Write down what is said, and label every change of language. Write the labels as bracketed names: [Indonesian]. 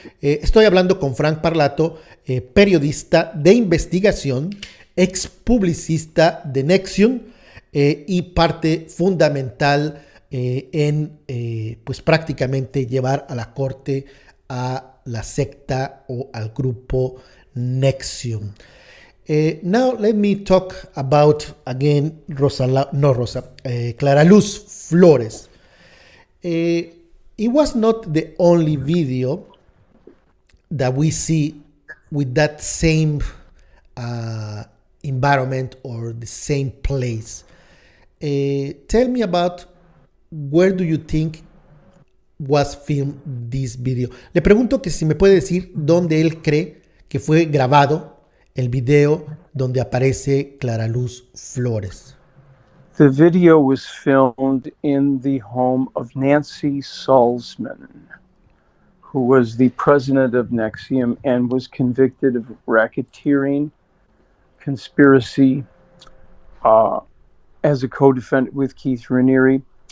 [Spanish] Estoy hablando con Frank Parlato, periodista de investigación, ex publicista de Nexium y parte fundamental pues prácticamente llevar a la corte a la secta o al grupo Nexium. [English] Now let me talk about again Clara Luz Flores. It was not the only video that we see with that same environment or the same place. Tell me about where do you think was filmed this video. [Spanish] Le pregunto que si me puede decir dónde él cree que fue grabado el video donde aparece Clara Luz Flores. [English] The video was filmed in the home of Nancy Salzman, who was the president of Nexium and was convicted of racketeering, conspiracy, as a co-defendant with Keith Raniere.